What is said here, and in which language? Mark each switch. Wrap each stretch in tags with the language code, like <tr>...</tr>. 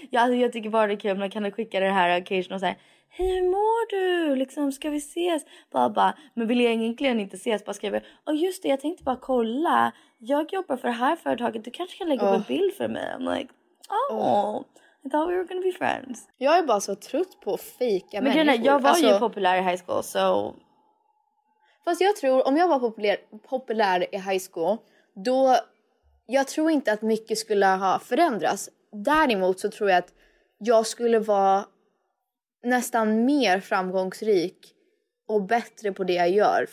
<sv>Jag, alltså, jag tycker bara det är kul, men kan du skicka det här occasion och säga, hej, hur mår du? Liksom, ska vi ses? Baba, men vill jag egentligen inte ses? Bara skriver, åh just det, jag tänkte bara kolla. Jag jobbar för det här företaget, du kanske kan lägga upp en bild för mig.</sv> <en>I'm like, oh, I thought we were gonna be friends.</en> <sv>Jag är bara så trött på att fejka människor. Men jag var ju populär i high school, så... Fast jag tror, om jag var populär i high school, då... Jag tror inte att mycket skulle ha förändrats. Däremot så tror jag att jag skulle vara nästan mer framgångsrik och bättre på det jag gör.</sv>